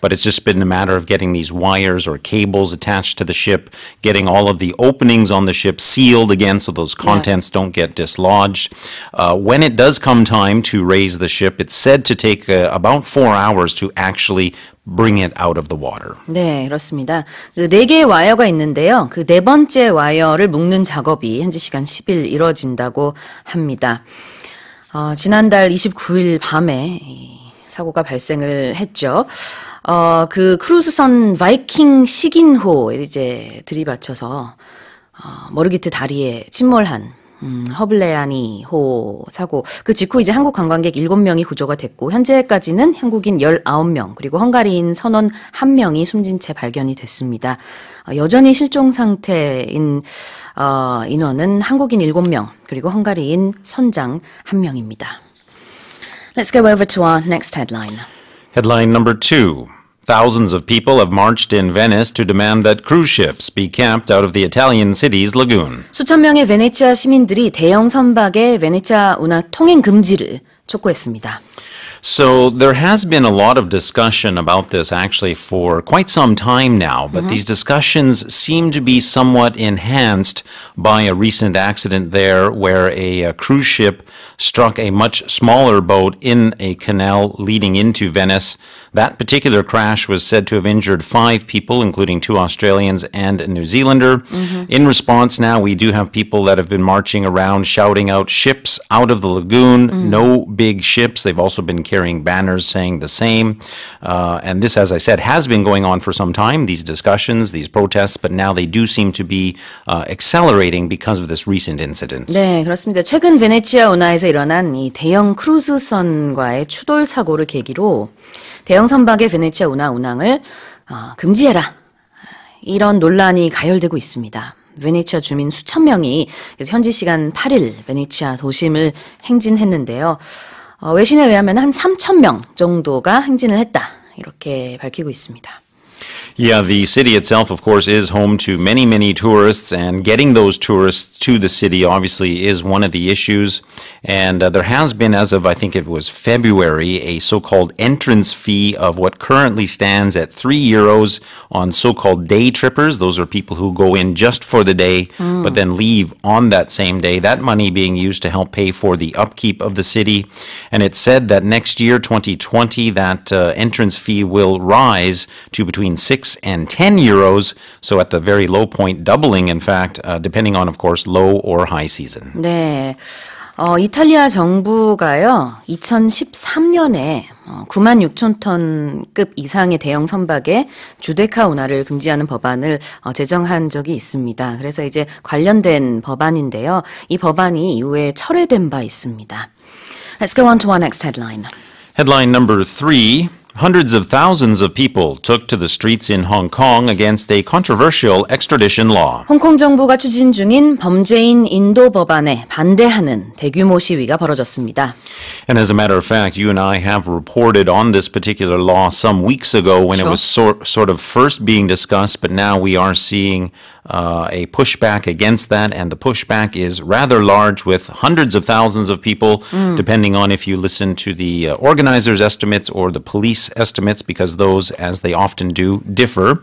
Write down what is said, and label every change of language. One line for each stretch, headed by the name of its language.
English: But it's just been a matter of getting these wires or cables attached to the ship, getting all of the openings on the ship sealed again so those contents don't get dislodged. When it does come time to raise the ship, it's said to take about 4 hours to actually bring it out of the water.
Korean: 네, 그렇습니다. 네 개의 와이어가 있는데요. 그 네 번째 와이어를 묶는 작업이 현지 시간 10일 이뤄진다고 합니다. 지난달 29일 밤에 사고가 발생을 했죠. 그 크루즈선 바이킹 식인호 이제 들이받쳐서 머르기트 다리에 침몰한 허블레아니 호 사고 그 직후 이제 한국 관광객 7명이 구조가 됐고 현재까지는 한국인 19명 그리고 헝가리인 선원 1명이 숨진 채 발견이 됐습니다. 여전히 실종 상태인 인원은 한국인 7명 그리고 헝가리인 선장 1명입니다.
English: Let's go over to our next headline. Headline number two. Thousands of people have marched in Venice to demand that cruise ships be camped out of the Italian city's lagoon.
Korean: 수천 명의 베네치아 시민들이 대형 선박의 베네치아 운하 통행 금지를 촉구했습니다.
English: So there has been a lot of discussion about this actually for quite some time now, but these discussions seem to be somewhat enhanced by a recent accident there where a cruise ship struck a much smaller boat in a canal leading into Venice. That particular crash was said to have injured 5 people, including 2 Australians and a New Zealander. In response now, we do have people that have been marching around shouting out ships out of the lagoon, no big ships. They've also been carrying banners saying the same. And this, as I said, has been going on for some time, these discussions, these protests, but now they do seem to be accelerating because of this recent incident.
Korean: 네, 그렇습니다. 최근 베네치아 운하에서 일어난 이 대형 크루즈선과의 추돌 사고를 계기로 대형 선박의 베네치아 운하 운항을 금지해라. 이런 논란이 가열되고 있습니다. 베네치아 주민 수천 명이 그래서 현지 시간 8일 베네치아 도심을 행진했는데요. 외신에 의하면 한 3천 명 정도가 행진을 했다. 이렇게 밝히고 있습니다.
English: Yeah, the city itself, of course, is home to many, many tourists, and getting those tourists to the city obviously is one of the issues. And there has been, as of I think it was February, a so-called entrance fee of what currently stands at 3 euros on so-called day trippers. Those are people who go in just for the day, but then leave on that same day. That money being used to help pay for the upkeep of the city. And it's said that next year, 2020, that entrance fee will rise to between 6 and 10 euros, so at the very low point, doubling in fact, depending on of course low or high season.
Korean: 네, 이탈리아 정부가요 2013년에 96,000톤급 이상의 대형 선박의 주데카 운하를 금지하는 법안을 제정한 적이 있습니다. 그래서 이제 관련된 법안인데요, 이 법안이 이후에 철회된 바 있습니다.
English: Let's go on to our next headline. Headline number three. Hundreds of thousands of people took to the streets in Hong Kong against a controversial extradition law.
Korean: 홍콩 정부가 추진 중인 범죄인 인도 법안에 반대하는 대규모 시위가 벌어졌습니다.
English: And as a matter of fact, you and I have reported on this particular law some weeks ago when it was sort of first being discussed, but now we are seeing a pushback against that, and the pushback is rather large with hundreds of thousands of people, depending on if you listen to the organizers' estimates or the police estimates, because those, as they often do, differ.